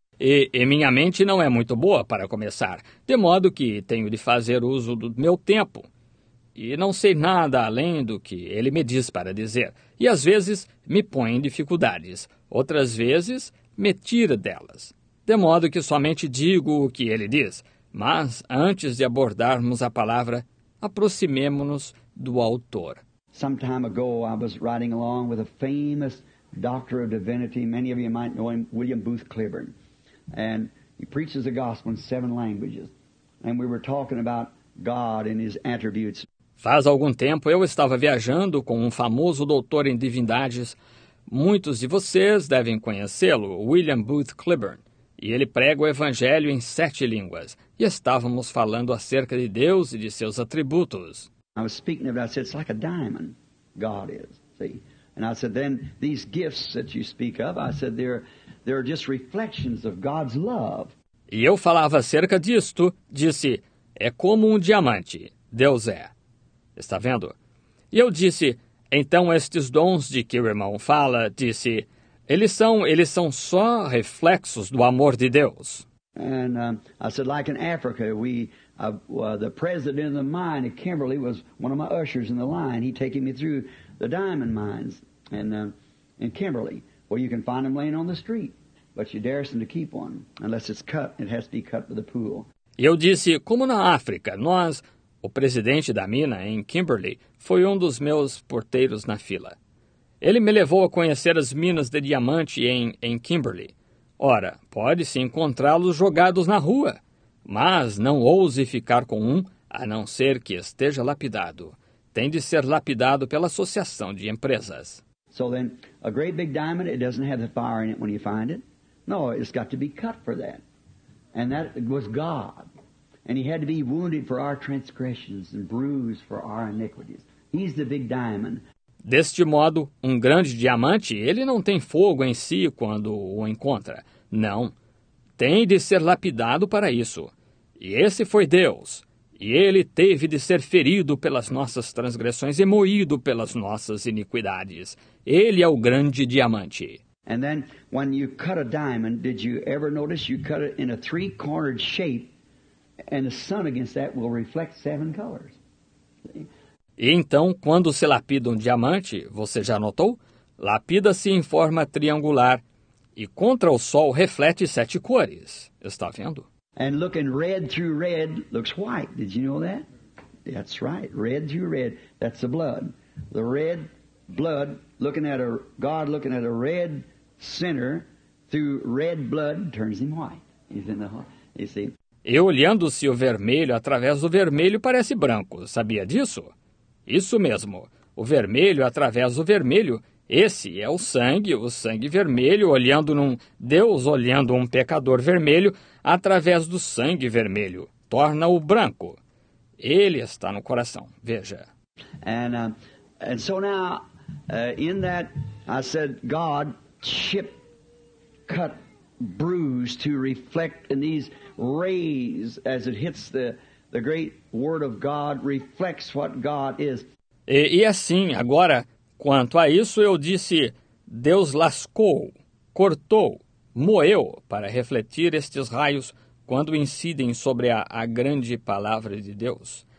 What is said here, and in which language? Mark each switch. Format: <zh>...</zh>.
<pt>E minha mente não é muito boa para começar, de modo que tenho de fazer uso do meu tempo. E não sei nada além do que ele me diz para dizer. E às vezes me põe em dificuldades, outras vezes me tira delas. De modo que somente digo o que ele diz. Mas antes de abordarmos a palavra, aproximemo-nos do autor.</pt> <en>Some time ago I was riding along with a famous doctor of divinity, many of you might know him, William Booth Cliburn. And he preaches the gospel in 7 languages. And we were talking about God and his attributes.</en> <pt>Faz algum tempo eu estava viajando com um famoso doutor em divindades. Muitos de vocês devem conhecê-lo, William Booth Cliburn. E ele prega o evangelho em 7 línguas. E estávamos falando acerca de Deus e de seus atributos.</pt> <en>I was speaking of it. I said, it's like a diamond. God is. See? And I said, then these gifts that you speak of, I said, they're just reflections of God's love.</en> <pt>E eu falava acerca disto, disse, é como um diamante, Deus é. Está vendo? E eu disse, então estes dons de que o irmão fala, disse, eles são só reflexos do amor de Deus.</pt> <en>And I said, like in Africa, the president of the mine at Kimberley was one of my ushers in the line. He taking me through the diamond mines. in Kimberly. Well, you can find them laying on the street, but you dare them to keep one. Unless it's cut, it has to be cut with a pool.</en> <pt>Eu disse, como na África, nós, o presidente da mina em Kimberley, foi um dos meus porteiros na fila. Ele me levou a conhecer as minas de diamante em Kimberley. Ora, pode-se encontrá-los jogados na rua, mas não ouse ficar com um, a não ser que esteja lapidado. Tem de ser lapidado pela associação de empresas.</pt> <en>So then, a great big diamond, it doesn't have the fire in it when you find it. No, it's got to be cut for that. And that was God. And he had to be wounded for our transgressions and bruised for our iniquities. He's the big diamond.</en> <pt>Deste modo, um grande diamante, ele não tem fogo em si quando o encontra. Não. Tem de ser lapidado para isso. E esse foi Deus. E ele teve de ser ferido pelas nossas transgressões e moído pelas nossas iniquidades. Ele é o grande diamante.</pt> <en>And then when you cut a diamond, did you ever notice you cut it in a three-cornered shape and the sun against that will reflect seven colors?</en> <pt>E então, quando se lapida um diamante, você já notou? Lapida-se em forma triangular e contra o sol reflete sete cores. Está vendo?</pt> <en>And looking red through red looks white. Did you know that? That's right. Red through red, that's the blood. The red blood, looking at a God looking at a red sinner through red blood turns him white. He's in the heart. You see?</en> <pt>E olhando-se o vermelho através do vermelho parece branco. Sabia disso? Isso mesmo. O vermelho através do vermelho. Esse é o sangue vermelho, olhando num Deus, olhando um pecador vermelho, através do sangue vermelho, torna-o branco. Ele está no coração, veja.</pt> <en>And so now, in that, I said, God chipped, cut, bruised to reflect in these rays as it hits the great word of God, reflects what God is.</en> <pt>E assim, agora... Quanto a isso, eu disse, Deus lascou, cortou, moeu para refletir estes raios quando incidem sobre a grande palavra de Deus.</pt>